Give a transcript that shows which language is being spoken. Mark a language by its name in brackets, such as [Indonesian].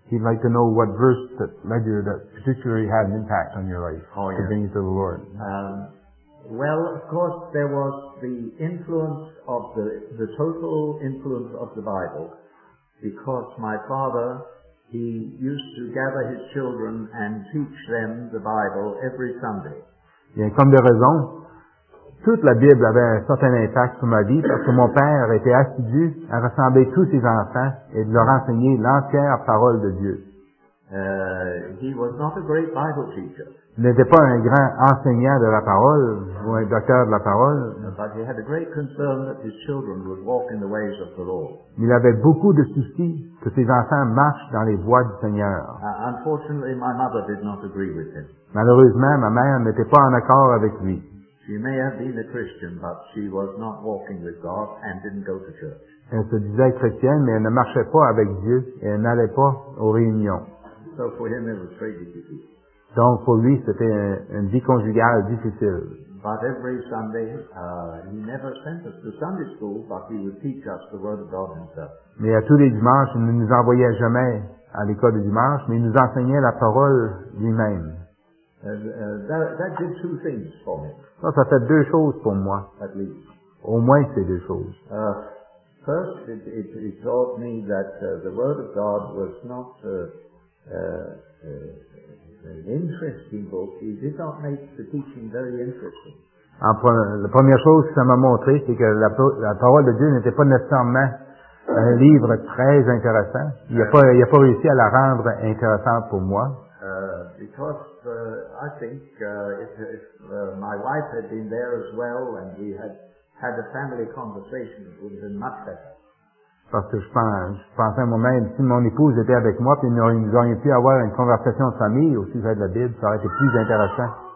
[English] He'd like to know what verse that led you that particularly had an impact on your life to bring you to the Lord. Well, of course, there was the influence of the total influence of the Bible. Because my father, he used to gather his children and teach them the Bible every Sunday. [French] Bien, comme de raison, toute la Bible avait un certain impact sur ma vie parce que mon père était assidu à rassembler tous ses enfants et de leur enseigner l'entière parole de Dieu. [English] He was not a great Bible teacher. [French] Il n'était pas un grand enseignant de la parole ou un docteur de la parole. [English] But he had a great concern that his children would walk in the ways of the Lord. [French] Il avait beaucoup de soucis que ses enfants marchent dans les voies du Seigneur. [English] Unfortunately, my mother did not agree with him. [French] Malheureusement, ma mère n'était pas en accord avec lui. [English] She may have been a Christian, but she was not walking with God and didn't go to church. [French] Elle se disait chrétienne, mais elle ne marchait pas avec Dieu et elle n'allait pas aux réunions. [English] So for him, it was very difficult. [French] Donc, pour lui, c'était une vie conjugale difficile. [English] But every Sunday, he never sent us to Sunday school, but he would teach us the Word of God himself. [French] Mais à tous les dimanches, il ne nous envoyait jamais à l'école de dimanche, mais il nous enseignait la parole lui-même. [English] That did two things for me. [French] Ça fait deux choses pour moi. [English] At least. [French] Au moins, c'est deux choses. [English] First, it taught me that the Word of God was not an interesting book. It did not make the teaching very interesting. [French] La première chose que ça m'a montré, c'est que la parole de Dieu n'était pas nécessairement un livre très intéressant. Il a pas réussi à la rendre intéressante pour moi. [English] Because I think if my wife had been there as well and we had a family conversation, it would have been much better. [French] Parce que je pensais moi-même, si mon épouse était avec moi, puis nous aurions pu avoir une conversation de famille au sujet de la Bible, ça aurait été plus intéressant.